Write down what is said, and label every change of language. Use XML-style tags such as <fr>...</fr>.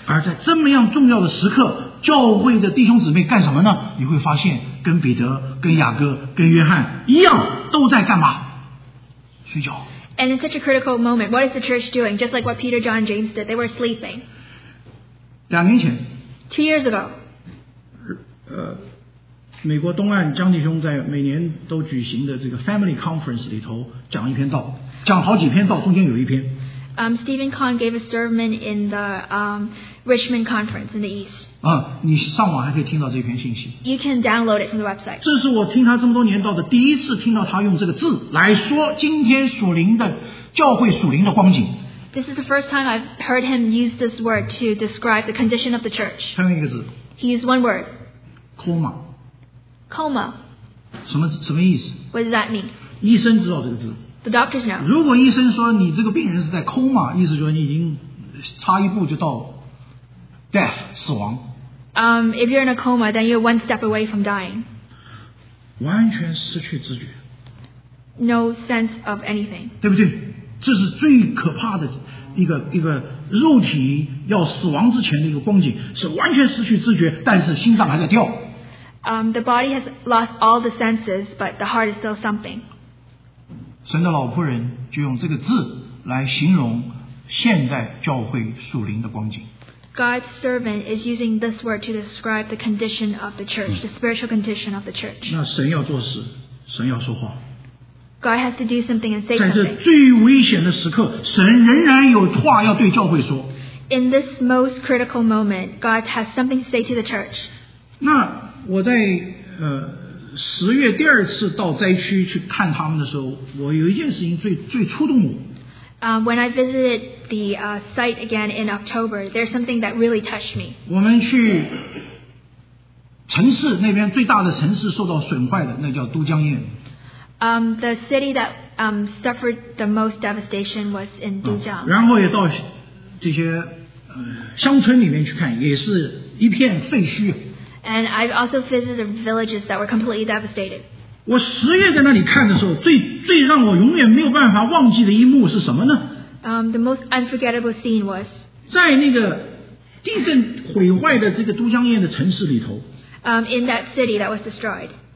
<zh>而在这么样重要的时刻，教会的弟兄姊妹干什么呢？你会发现，跟彼得、跟雅各、跟约翰一样，都在干嘛？睡觉。</zh> <en>And in such a critical moment, what is the church doing? Just like what Peter, John, James did, they were sleeping.</en> <zh>两年前。</zh> <en>Two years ago.</en> <zh>美国东岸江弟兄在每年都举行的这个 Family Conference 里头讲一篇道，讲好几篇道，中间有一篇。</zh> <en>Stephen Kahn gave a sermon in the Richmond Conference in the East.</en> <zh>你上网还可以听到这篇信息。</zh> <en>You can download it from the website.</en> <zh>这是我听他这么多年到的第一次听到他用这个字来说今天属灵的教会属灵的光景。</zh> <en>This is the first time I've heard him use this word to describe the condition of the church.</en> <zh>他用一个字。</zh> <en>He used one word. Coma. Coma.</en> <zh>什么意思？</zh> <en>What does that mean?</en> <zh>医生知道这个字。</zh> <en>The doctors know.</en> <zh>如果医生说你这个病人是在 coma, 意思就是你已经差一步就到 death, 死亡。</zh> <en>If you're in a coma, then you're one step away from dying.</en> <zh>完全失去知觉。</zh> <en>No sense of anything.</en> <zh>对不对？这是最可怕的一个肉体要死亡之前的一个光景，是完全失去知觉，但是心脏还在跳。</zh> <en>The body has lost all the senses, but the heart is still thumping.</en> <zh>神的老仆人就用这个字来形容现在教会属灵的光景。</zh> <en>God's servant is using this word to describe the condition of the church, the spiritual condition of the church.</en> <zh>那神要做事，神要说话。</zh> <en>God has to do something and say something.</en> <zh>在这最危险的时刻，神仍然有话要对教会说。</zh> <en>In this most critical moment, God has something to say to the church.</en> <zh>那我在十月第二次到灾区去看他们的时候，我有一件事情最触动我。</zh> <en>When I visited the site again in October, there's something that really touched me.</en> <zh>我们去城市那边最大的城市受到损坏的，那叫都江堰。</zh> <en>The city that suffered the most devastation was in Dujiang.</en> <zh>然后也到这些, 乡村里面去看, 也是一片废墟。</zh> <en>And I also visited villages that were completely devastated.</en> <zh>我十月在那里看的时候, 最让我永远没有办法忘记的一幕是什么呢?</zh> <en>The most unforgettable scene was</en> <zh>在那个地震毁坏的这个都江堰的城市里头,</zh> <en>in that city that was destroyed.</en>